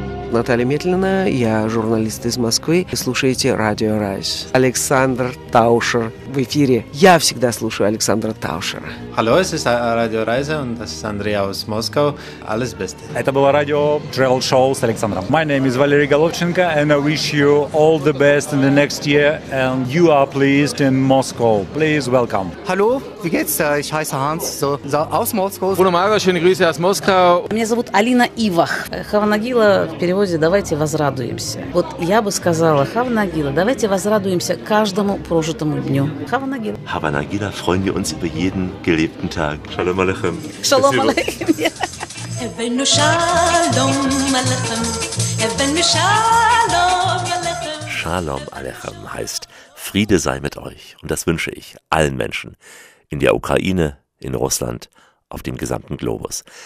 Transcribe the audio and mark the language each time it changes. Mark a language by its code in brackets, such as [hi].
[ru] Наталья Метлина, я журналист из Москвы. Вы слушаете Радио Райс. Александр Таушер в эфире. Я всегда слушаю Александра Таушера. [en] Hello, this is Radio Reise and this is Andrea [de] aus Moskau. Alles Beste. [ru] Это было радио Travel Show с Александром. [en] My name is Валерий Головченко and I wish you all the best in the next year and you are pleased in Moscow. Please welcome. [de] Hallo, wie geht's? Ich heiße Hans, so aus Moskau. Guten Morgen, schöne Grüße aus Moskau. [ru] Меня зовут Алина Ивах. Хавнагила в переводе «давайте возрадуемся». Вот я бы сказала Хавнагила, давайте возрадуемся каждому прожитому дню. Хавнагила. [de] Хавнагила, freuen wir uns über jeden gelebten Tag. [he] Шалом алейхем. Шалом алейхем. Шалом алейхем [de] heißt Friede sei mit euch. Und das wünsche ich allen Menschen in der Ukraine, in Russland, auf dem gesamten Globus.